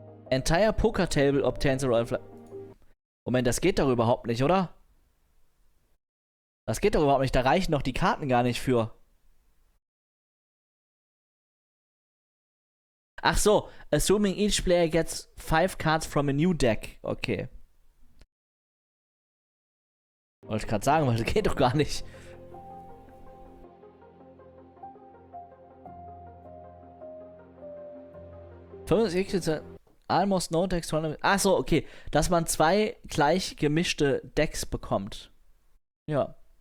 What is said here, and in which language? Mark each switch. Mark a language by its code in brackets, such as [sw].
[en] Entire Poker Table obtains a Royal Flush. [de] Moment, das geht doch überhaupt nicht, oder? Das geht doch überhaupt nicht. Da reichen doch die Karten gar nicht für. Ach so, [en] assuming each player gets 5 cards from a new deck. [de] Okay. Wollte ich gerade sagen, weil das geht doch gar nicht. [en] Almost no decks. [de] Ach so, okay. Dass man zwei gleich gemischte Decks bekommt. Ja.